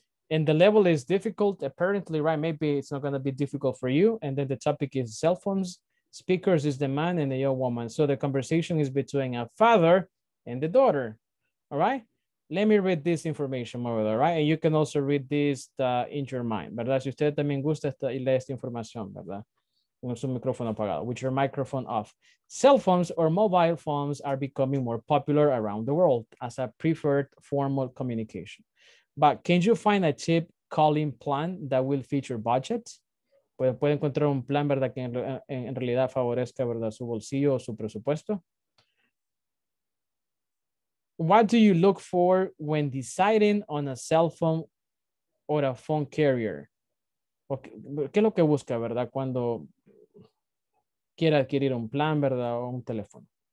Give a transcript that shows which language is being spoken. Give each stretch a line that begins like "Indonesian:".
English: And the level is difficult, apparently, right? Maybe it's not gonna be difficult for you. And then the topic is cell phones. Speakers is the man and the young woman. So the conversation is between a father and the daughter, all right? Let me read this information more, all right? And you can also read this in your mind, ¿verdad?
Spanish: Si usted también gusta esta, y lee esta información, ¿verdad? Con su micrófono apagado,
English: with your microphone off. Cell phones or mobile phones are becoming more popular around the world as a preferred form of communication. But can you find a cheap calling plan that will fit your budget?
Spanish: ¿Puede encontrar un plan, verdad, que en realidad favorezca, verdad, su bolsillo o su presupuesto?
English: What do you look for when deciding on a cell phone or a phone carrier?
Spanish: ¿Qué es lo que busca, verdad, cuando quiere adquirir un plan, verdad, o un teléfono?